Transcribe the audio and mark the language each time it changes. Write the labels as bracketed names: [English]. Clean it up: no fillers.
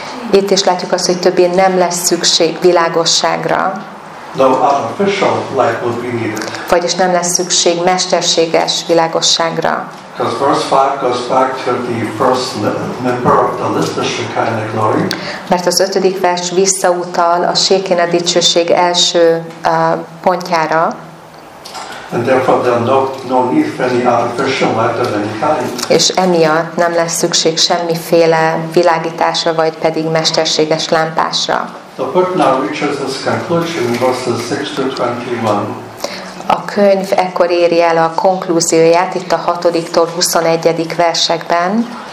[Hungarian] Itt is látjuk azt, hogy többé nem lesz szükség világosságra. [English] No artificial light will be needed. [Hungarian] Vagyis nem lesz szükség mesterséges világosságra. [English] Because verse 5 goes back to the first member of the list, the Shekinah glory. [Hungarian] Mert az ötödik vers visszautal a Shekinah dicsőség első pontjára. [English] And therefore there is no need for any artificial light of any kind. [Hungarian] És emiatt nem lesz szükség semmiféle világításra, vagy pedig mesterséges lámpásra. [English] The book now reaches its conclusion in verses 6-21. [Hungarian] A könyv ekkor éri el a konklúzióját itt a 6-tól 21. versekben.